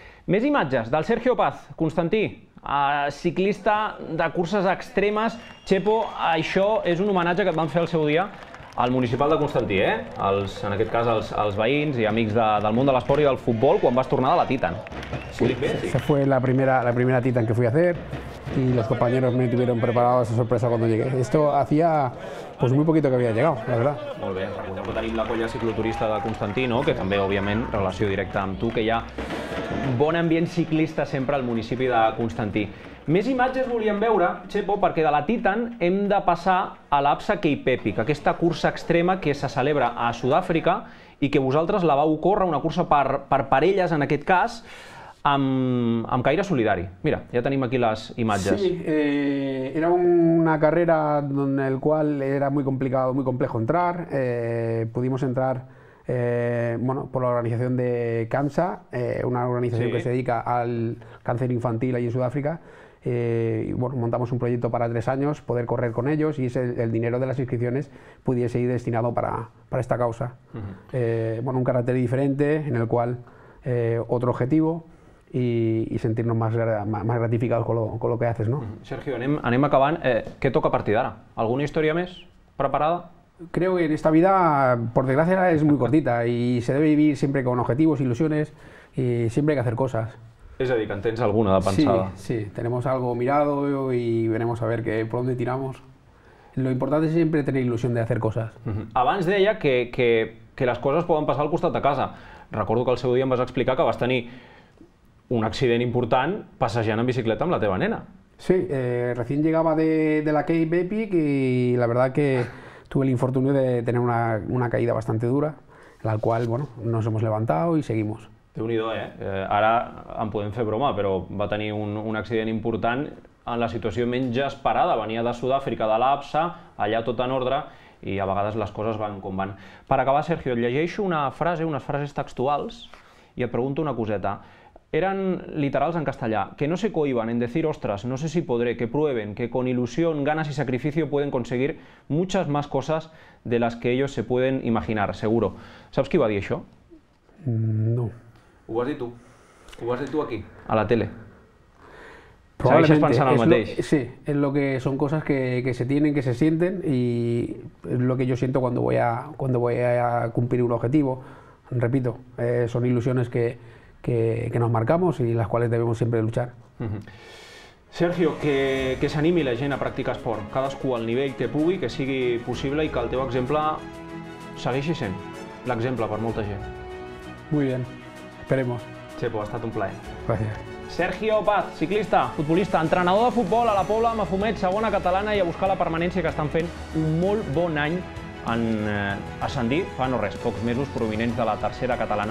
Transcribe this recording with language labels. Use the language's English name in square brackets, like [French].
[Catalan] Més imatges del Sergio Paz. Constantí, ciclista de curses extremes. Chepo, això és un homenatge que et van fer el seu dia al municipal de Constantí, en aquest cas els veïns i amics del món de l'esport i del futbol, quan vas tornar de la Titan. [Spanish] Sí, esa fue la primera Titan que fui a hacer y los compañeros me tuvieron preparado esa sorpresa cuando llegué. Esto hacía pues muy poquito que había llegado, la verdad. [Catalan] Molt bé, recordeu que tenim la colla cicloturista de Constantí, no? Que també, òbviament, relació directa amb tu, que hi ha bon ambient ciclista sempre al municipi de Constantí. Més imatges volíem veure, Chepo, perquè de la Titan hem de passar a l'APSA Cape Epic, aquesta cursa extrema que se celebra a Sud-àfrica i que vosaltres la vau córrer, una cursa per parelles en aquest cas, amb caire solidari. Mira, ja tenim aquí les imatges. [Spanish] Sí, era una carrera en la qual era muy complicado, muy complejo entrar. Pudimos entrar por la organización de CANSA, una organización que se dedica al cáncer infantil allí en Sud-àfrica. Montamos un proyecto para 3 años, poder correr con ellos y el dinero de las inscripciones pudiese ir destinado para esta causa. Uh-huh. Un carácter diferente en el cual otro objetivo y sentirnos más gratificados con lo que haces, ¿no? [Catalan] Uh-huh. Sergio, anem acabant. ¿Qué toca a partir d'ara? ¿Alguna historia més preparada? [Spanish] Creo que en esta vida, por desgracia, es muy cortita y se debe vivir siempre con objetivos, ilusiones y siempre hay que hacer cosas. [Catalan] És a dir, que en tens alguna de pensada. [Spanish] Sí, tenemos algo mirado y veremos a ver por dónde tiramos. Lo importante es siempre tener ilusión de hacer cosas. [Catalan] Uh-huh. Abans deia que les coses poden passar al costat de casa. Recordo que el seu dia em vas explicar que vas tenir un accident important passejant en bicicleta amb la teva nena. [Spanish] Sí, recién llegaba de la Cape Epic y la verdad que tuve el infortunio de tener una caída bastante dura, la cual, bueno, nos hemos levantado y seguimos. [Catalan] Déu-n'hi-do, ara en podem fer broma, però va tenir un accident important en la situació menys esperada. Venia de Sud-àfrica, de l'APSA, allà tot en ordre, i a vegades les coses van com van. Per acabar, Sergio, et llegeixo una frase, unes frases textuals, i et pregunto una coseta. Eran literals en castellà. [Spanish] Que no se cohiban en decir ostras, no sé si podré, que prueben, que con ilusión, ganas y sacrificio pueden conseguir muchas más cosas de las que ellos se pueden imaginar, seguro. [Catalan] Saps qui va dir això? No. Ho vas dir tu. Ho vas dir tu aquí. A la tele. [Spanish] Probablemente. [Catalan] Segueixes pensant el mateix. [Spanish] Sí, es lo que son cosas que se tienen, que se sienten y es lo que yo siento cuando voy a cumplir un objetivo. Repito, son ilusiones que nos marcamos y las cuales debemos siempre luchar. [Catalan] Sergio, que s'animi la gent a practicar esport, cadascú al nivell que pugui, que sigui possible i que el teu exemple segueixi sent l'exemple per molta gent. [Spanish] Muy bien, esperemos. [Catalan] Chepo, ha estat un plaer. [Spanish] Gracias. [Catalan] Sergio Paz, ciclista, futbolista, entrenador de futbol a la Pobla Mafumet, segona catalana i a buscar la permanència, que estan fent un molt bon any en ascendir fa no res, pocs mesos, provinents de la tercera catalana.